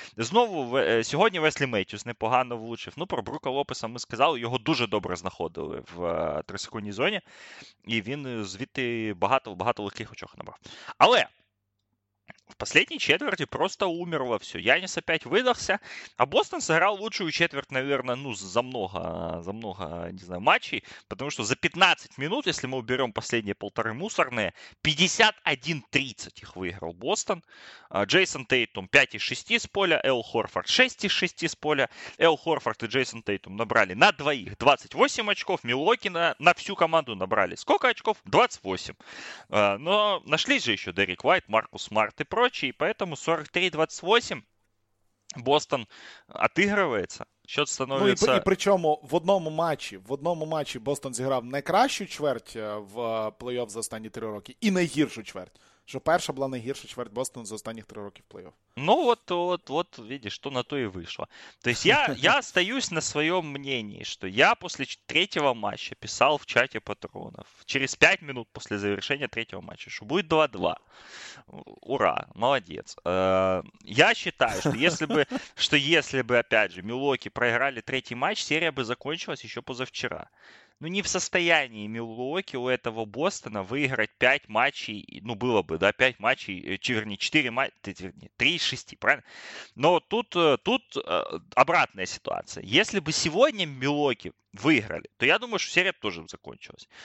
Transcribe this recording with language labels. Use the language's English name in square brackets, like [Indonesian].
[Ukrainian] Знову сьогодні Веслі Мейтюс непогано влучив. Ну, про Брука Лопеса ми сказали, його дуже добре знаходили в трисекундній зоні. І він звідти багато-багато легких очок набрав. Але в останній четверті просто умерло все. Яніс опять видався. [Russian] А Бостон зіграв лучшу четверть, наверное, ну, за много, не знаю, матчей. Потому что за 15 минут, если мы уберем последние полторы мусорные, 51-30 их выиграл Бостон. Джейсон Тейтум 5-6 с поля. Эл Хорфорд 6-6 с поля. Эл Хорфорд и Джейсон Тейтум набрали на двоих 28 очков. Милуоки на всю команду набрали сколько очков? 28. Но нашлись же еще Дерек Уайт, Маркус Смарт и прочие, поэтому 43-28 Бостон отыгрывается. Счет становится... [Ukrainian] Ну, і причому в одному матчі Бостон зіграв не кращу чверть в плей-офф за останні 3 роки і найгіршу чверть. Що перша була найгірша чверть Бостону за останніх 3 роки в плей-офф. Ну, от, видиш, то на то і вийшло. Тобто я остаюсь на своєму мненні, що я після третього матча писав в чаті патронів, через 5 минут після завершення третього матча, що буде 2-2. Ура, молодець. Я вважаю, що якби, опять же, Мілуокі проіграли третій матч, серія би закінчилась ще позавчора. [Russian] Ну, не в состоянии Милуоки у этого Бостона выиграть 5 матчей, ну, было бы, да, 5 матчей, вернее, 4 матча, вернее, 3 из 6, правильно? Но тут обратная ситуация. Если бы сегодня Милуоки выиграли, то я думаю, что серия тоже бы закончилась.